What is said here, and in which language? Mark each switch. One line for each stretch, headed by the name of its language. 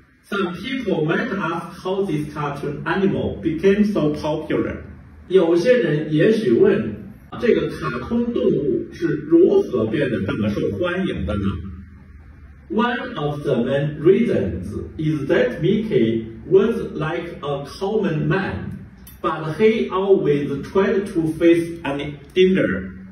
English: Some people might ask how this cartoon animal became so popular.
Chinese: 有些人也许问，这个卡通动物是如何变得这么受欢迎的呢？
English: One of the main reasons is that Mickey was like a common man, but he always tried to face any danger.